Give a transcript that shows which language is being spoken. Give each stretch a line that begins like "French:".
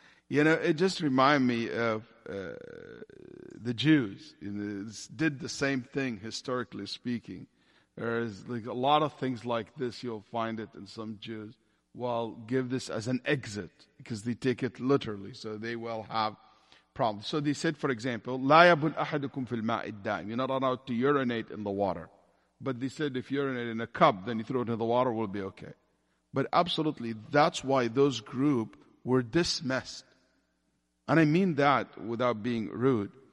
English: You know, it just reminds me of the Jews. You know, did the same thing, historically speaking. There is like a lot of things like this, you'll find it in some Jews. Well, give this as an exit, because they take it literally, so they will have problems. So they said, for example,
Arabic: لا يبل أحدكم في الماء الدائم.
English: You're not allowed to urinate in the water. But they said if you urinate in a cup, then you throw it in the water, will be okay. But absolutely, that's why those group were dismissed. And I mean that without being rude.